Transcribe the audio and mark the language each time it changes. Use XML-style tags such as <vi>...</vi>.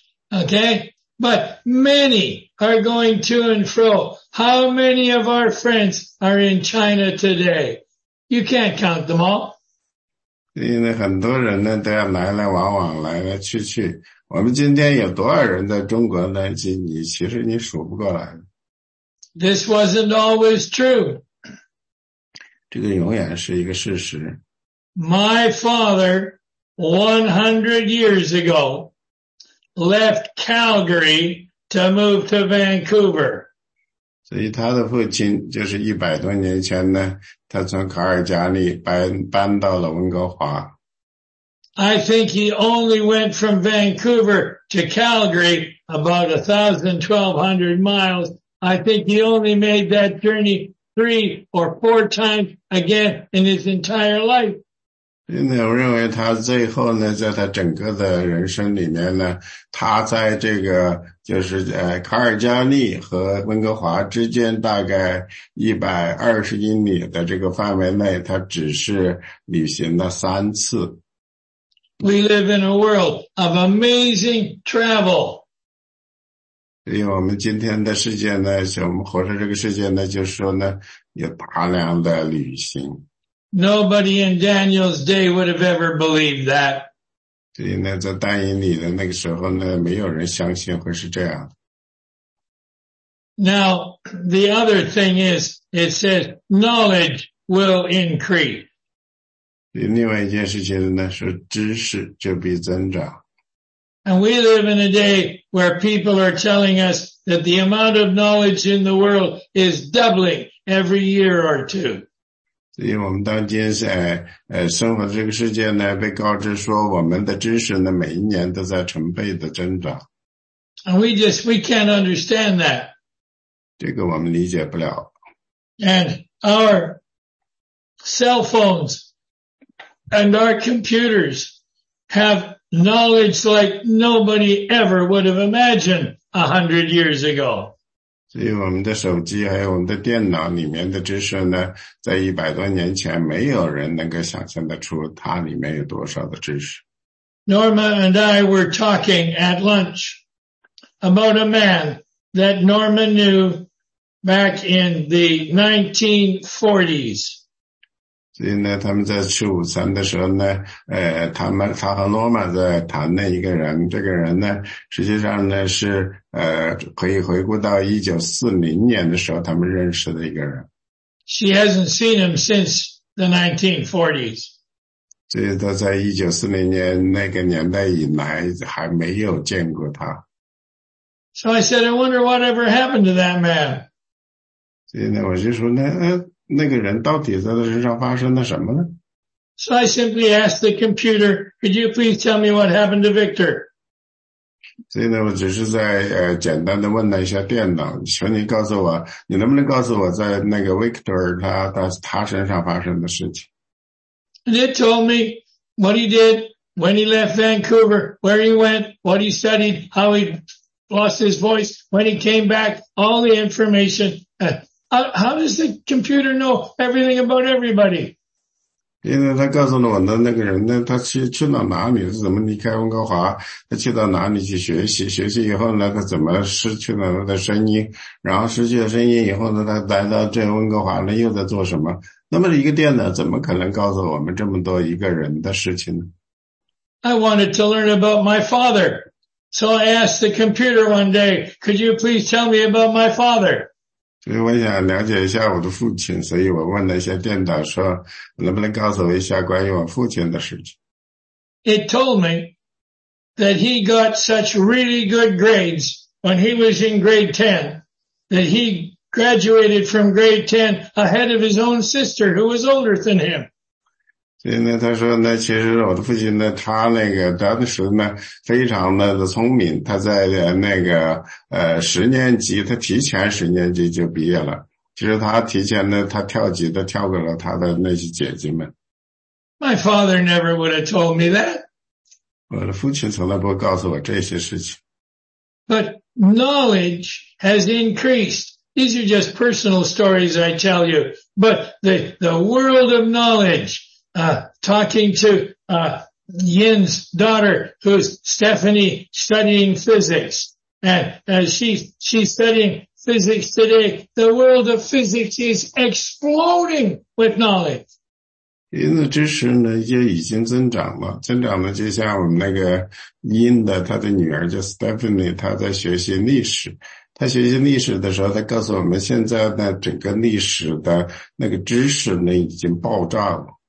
<en>Okay, but many are going to and fro. How many of our friends are in China today? You can't count them all.</en> <zh>因为很多人呢都要来来往往，来来去去。我们今天有多少人在中国呢？其实你数不过来。</zh> <en>This wasn't always true.</en> <zh>这个永远是一个事实。</zh> <en>My father, 100 years ago, left Calgary to move to Vancouver.</en> <zh>所以他的父亲就是100多年前呢，他从卡尔加里搬到了温哥华。</zh> <en>I think he only went from Vancouver to Calgary about 1,200 miles. I think he only made that journey three or four times again in his entire life.</en> <zh>因为我认为他最后呢，在他整个的人生里面呢，他在这个就是卡尔加里和温哥华之间大概120英里的这个范围内，他只是旅行了三次。</zh> <en>We live in a world of amazing travel.</en> <zh>因为我们今天的世界呢，我们活在这个世界呢，就是说呢，有大量的旅行。</zh> <en>Nobody in Daniel's day would have ever believed that.</en> <zh>所以呢，在但以理的那个时候呢，没有人相信会是这样。</zh> <en>Now, the other thing is, it says, knowledge will increase.</en> <zh>另外一件事情呢，是知识就必增长。</zh> <en>And we live in a day where people are telling us that the amount of knowledge in the world is doubling every year or two.</en> <zh>所以我们当今生活的这个世界呢，被告知说我们的知识呢，每一年都在成倍的增长。</zh> <en>And we can't understand that.</en> <zh>这个我们理解不了。</zh> <en>And our cell phones. And our computers have knowledge like nobody ever would have imagined 100 years ago.</en> <zh>所以我们的手机还有我们的电脑里面的知识呢，在100多年前没有人能够想象得出它里面有多少的知识。</zh> <en>Norma and I were talking at lunch about a man that Norma knew back in the 1940s.</en> <zh>所以呢，他们在吃午餐的时候呢，他和罗马在谈的一个人，这个人呢，实际上呢是可以回顾到1940年的时候他们认识的一个人。</zh> <en>She hasn't seen him since the 1940s.</en> <zh>所以他在1940年那个年代以来还没有见过他。</zh> <en>So I said, I wonder whatever happened to that man.</en> <zh>所以呢，我就说呢，那个人到底在他身上发生了什么呢？</zh> <en>So I simply asked the computer, could you please tell me what happened to Victor?</en> <zh>所以呢，我只是在简单的问了一下电脑，求你告诉我，你能不能告诉我在那个 Victor 他身上发生的事情？</zh> <en>And it told me what he did, when he left Vancouver, where he went, what he studied, how he lost his voice, when he came back, all the information. How does the computer know everything about everybody?</en> <zh>因为他告诉了我的那个人呢，他去到哪里，是怎么离开温哥华，他去到哪里去学习，学习以后呢，他怎么失去了他的声音，然后失去了声音以后呢，他来到这温哥华呢，又在做什么？那么一个电脑怎么可能告诉我们这么多一个人的事情呢？</zh> <en>I wanted to learn about my father. So I asked the computer one day, could you please tell me about my father?</en> <zh>所以我想了解一下我的父亲，所以我问了一些电脑说，能不能告诉我一下关于我父亲的事情。</zh> <en>It told me that he got such really good grades when he was in grade 10, that he graduated from grade 10 ahead of his own sister who was older than him.</en> <zh>所以呢，他说呢，其实我的父亲呢，他那个当时呢，非常的聪明。他在那个十年级，他提前十年级就毕业了。其实他提前呢，他跳级的跳给了他的那些姐姐们。</zh> <en>My father never would have told me that.</en> <zh>我的父亲从来不会告诉我这些事情。</zh> <en>But knowledge has increased. These are just personal stories I tell you. But the world of knowledge. Talking to Yin's daughter, who's Stephanie, studying physics. And she's studying physics today. The world of physics is exploding with knowledge.</en> <zh>因的知识呢也已经增长了，增长呢就像我们那个英的他的女儿叫 Stephanie， 她在学习历史，她学习历史的时候，她告诉我们现在呢整个历史的那个知识呢已经爆炸了。</zh>